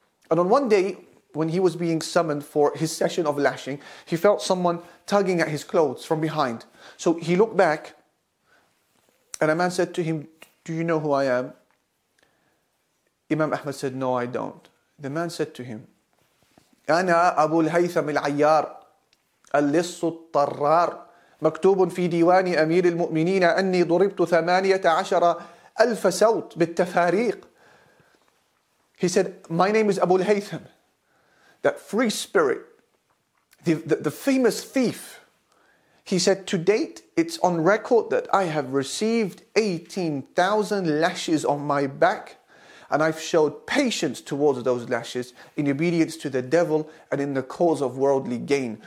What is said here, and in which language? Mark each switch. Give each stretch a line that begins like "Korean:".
English: And on one day, when he was being summoned for his session of lashing, he felt someone tugging at his clothes from behind. So he looked back, and a man said to him, do you know who I am? Imam Ahmad said, no, I don't. The man said to him, Ana Abu al-Haytham al-Ayyar.
Arabic: اللص الطرار مكتوب في ديوان أمير المؤمنين أني ضربت 18,000 سوط بالتفاريق.
English: He said, my name is Abu al-Haytham, that free spirit, the famous thief. He said, to date, it's on record that I have received 18,000 lashes on my back, and I've showed patience towards those lashes in obedience to the devil and in the cause of worldly gain.